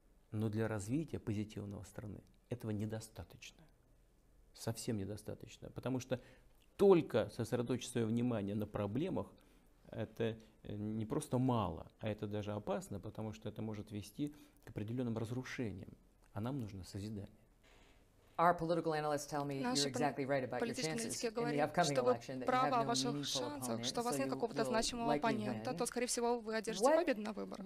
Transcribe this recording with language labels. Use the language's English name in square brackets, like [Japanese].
[Russian] Но для развития позитивного страны этого недостаточно. Совсем недостаточно. Потому что только сосредоточить свое внимание на проблемах, это не просто мало, а это даже опасно, потому что это может вести к определенным разрушениям. А нам нужно созидание. [English] Our political analysts tell me you're exactly right about your chances in the upcoming election, that you have no meaningful opponent, [Russian] что у вас нет какого-то значимого оппонента, то, скорее всего, вы одержите победу на выборах.